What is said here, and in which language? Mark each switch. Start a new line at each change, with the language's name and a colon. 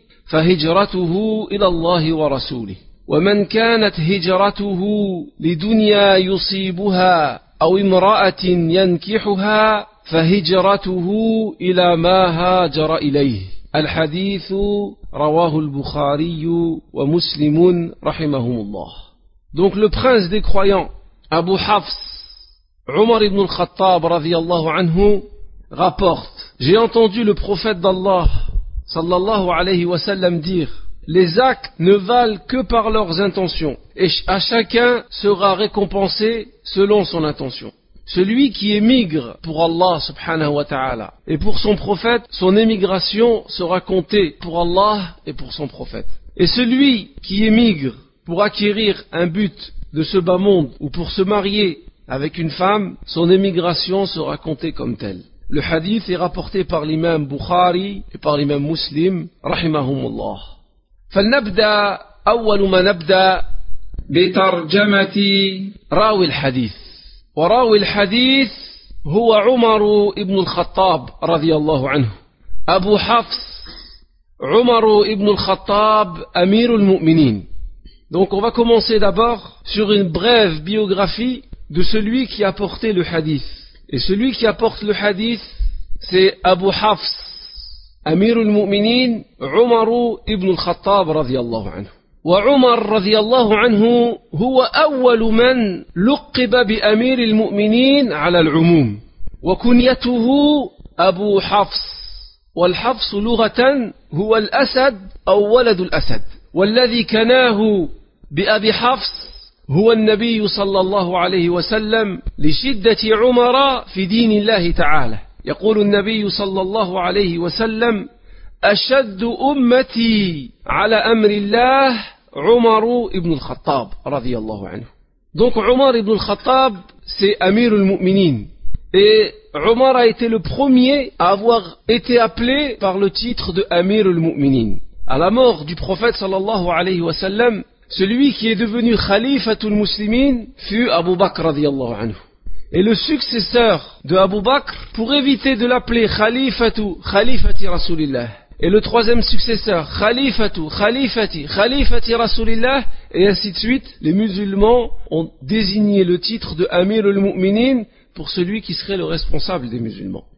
Arabic: فهجرته إلى الله ورسوله، ومن كانت هجرته لدنيا يصيبها أو امرأة ينكحها فهجرته إلى ما هاجر إليه. الحديث رواه البخاري ومسلم رحمهم الله.
French: Donc le prince des croyants, Abu Hafs, Omar ibn al-Khattab radiyallahu anhu, rapporte: j'ai entendu le prophète d'Allah sallallahu alayhi wa sallam dire: les actes ne valent que par leurs intentions, et à chacun sera récompensé selon son intention. Celui qui émigre pour Allah subhanahu wa ta'ala et pour son prophète, son émigration sera comptée pour Allah et pour son prophète. Et celui qui émigre pour acquérir un but de ce bas monde ou pour se marier avec une femme, son émigration sera comptée comme telle. Le hadith est rapporté par l'imam Bukhari et par l'imam Muslim, rahimahumullah.
Arabic: فلنبدأ أول ما نبدأ بترجمة راوي الحديث، وراوي الحديث هو عمر بن الخطاب رضي الله عنه، أبو حفص عمر بن الخطاب أمير المؤمنين.
French: Donc on va commencer d'abord sur une brève biographie de celui qui a porté le hadith. Et celui qui a porté le hadith, c'est Abu Hafs أمير المؤمنين عمر بن الخطاب
Arabic: رضي الله عنه. وعمر رضي الله عنه هو أول من لقب بأمير المؤمنين على العموم، وكنيته أبو حفص، والحفص لغة هو الأسد أو ولد الأسد، والذي كناه بأبي حفص هو النبي صلى الله عليه وسلم لشدة عمر في دين الله تعالى. يقول النبي صلى الله عليه وسلم: أشد أمتي على أمر الله عمر بن الخطاب رضي الله عنه.
French: Donc عمر بن الخطاب c'est أمير المؤمنين. Et عمر a été le premier à avoir été appelé par le titre de أمير المؤمنين. À la mort du prophète
Arabic: صلى الله عليه وسلم,
French: celui qui est devenu خليفة المسلمين fut أبو بكر
Arabic: رضي الله عنه.
French: Et le successeur de Abu Bakr, pour éviter de l'appeler Khalifatu, Khalifati Rasulillah, et le troisième successeur, Khalifatu, Khalifati, Khalifati Rasulillah, et ainsi de suite, les musulmans ont désigné le titre de Amir al-Mu'minin pour celui qui serait le responsable des musulmans.